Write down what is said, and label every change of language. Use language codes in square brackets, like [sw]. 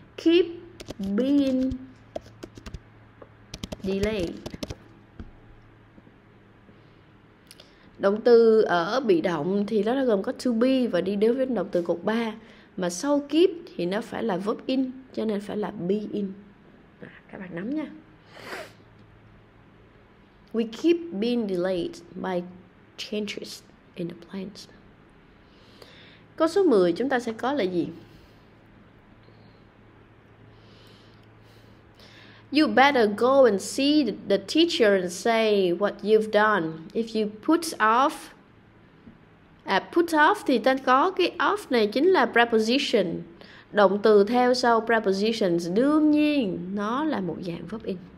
[en] Keep being delayed. [vi] Động từ ở bị động thì nó gồm có to be và đi đối với động từ cột 3. Mà sau keep thì nó phải là verb in, cho nên phải là be in. À, các bạn nắm nha. [en] We keep being delayed by changes in the plans. [vi] Câu số 10 chúng ta sẽ có là gì? [en] You better go and see the teacher and say what you've done. If you put off, put off [vi] thì ta có cái off này chính là preposition. Động từ theo sau prepositions, đương nhiên nó là một dạng verb in.